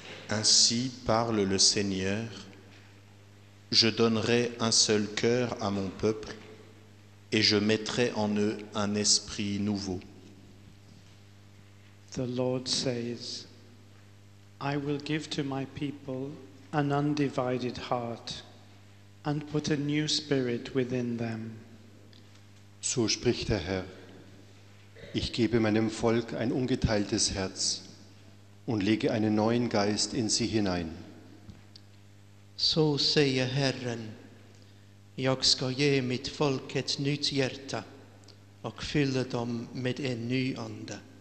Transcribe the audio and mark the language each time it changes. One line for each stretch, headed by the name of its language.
French: Ainsi parle le Seigneur, je donnerai un seul cœur à mon peuple et je mettrai en eux un esprit nouveau.
English: The Lord says, I will give to my people an undivided heart and put a new spirit within them.
German: So spricht der Herr, ich gebe meinem Volk ein ungeteiltes Herz und lege einen neuen Geist in sie hinein.
Swedish: So säge Herren, jag ska ge mitt folk ett nytt hjärta och fylla dem med en ny ande.